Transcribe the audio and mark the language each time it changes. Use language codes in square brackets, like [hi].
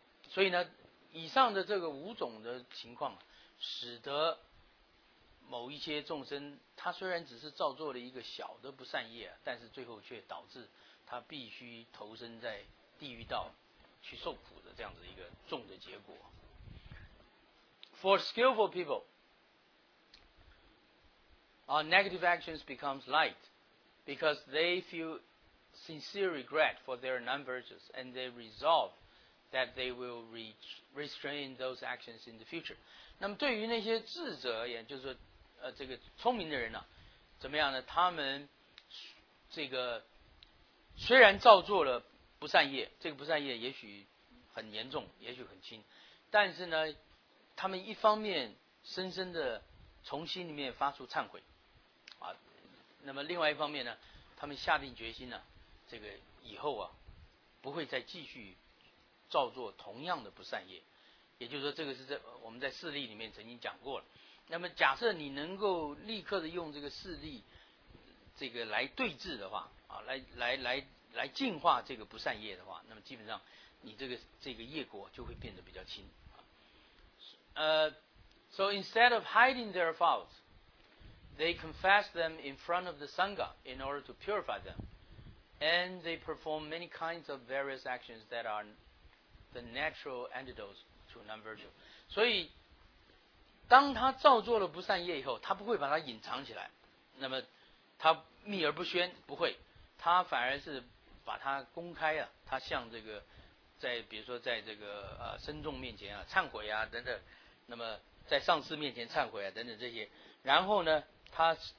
[zh] 所以呢以上的这个五种的情况使得某一些众生，他虽然只是造作了一个小的不善业，但是最后却导致他必须投身在地狱道去受苦的这样子一个重的结果。 [en] For skillful people our negative actions becomes light because they feel sincere regret for their non-virtues and they resolve that they will restrain those actions in the future。 [zh] 那么对于那些智者而言，就是说这个聪明的人呢，怎么样呢，他们这个虽然造作了不善业，这个不善业也许很严重，也许很轻，但是呢他们一方面深深的从心里面发出忏悔啊，那么另外一方面呢他们下定决心呢，这个以后啊不会再继续造作同样的不善业。也就是说这个是在我们在事例里面曾经讲过了。那么假设你能够立刻的用这个事例这个来对治的话啊，来净化这个不善业的话，那么基本上你这个业果就会变得比较轻。 [en] So instead of hiding their faults, they confess them in front of the Sangha in order to purify them, and they perform many kinds of various actions that are the natural antidotes to non-virtue. [zh] 所以当他造作了不善业以后，他不会把它隐藏起来，那么他秘而不宣，不会，他反而是把它公开啊，他向这个在比如说在这个僧众面前啊忏悔啊等等，那么在上师面前忏悔啊等等这些，然后呢他